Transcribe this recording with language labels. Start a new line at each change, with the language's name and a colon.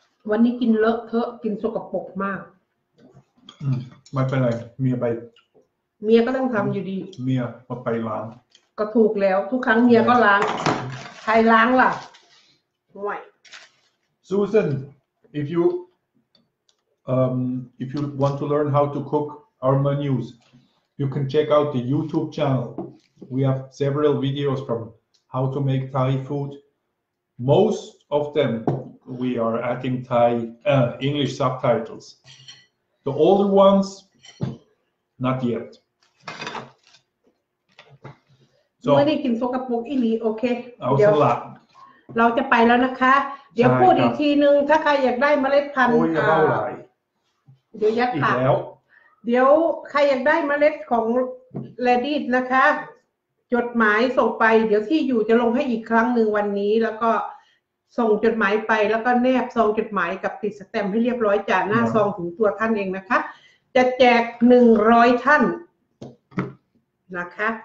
Thai: วันนี้กินเลอะเทอะกินสกปรกมาก ไม่เป็นไรเมียไป เมียก็ต้องทำอยู่ดี เมียมาไปล้าง ก็ถูกแล้วทุกครั้งเมียก็ล้างใครล้างล่ะไม่
English: Susan if you want to learn how to cook our menus you can check out the YouTube channel we have several videos from how to make Thai food most of them we are adding Thai English subtitles the older ones not yet
Thai: so ไม่ได้กินสกปรกอีหลีโอเค เอาสละ เราจะไปแล้วนะคะเดี๋ยวพูดอีกทีนึงถ้าใครอยากได้เมล็ดพันธุ์ เดี๋ยวยัด ค่ะ เดี๋ยวใครอยากได้เมล็ดของแลดี้นะคะจดหมายส่งไปเดี๋ยวที่อยู่จะลงให้อีกครั้งหนึ่งวันนี้แล้วก็ส่งจดหมายไปแล้วก็แนบซองจดหมายกับติดสแตมป์ให้เรียบร้อยจากหน้าซองถึงตัวท่านเองนะคะจะแจก100ท่านนะคะ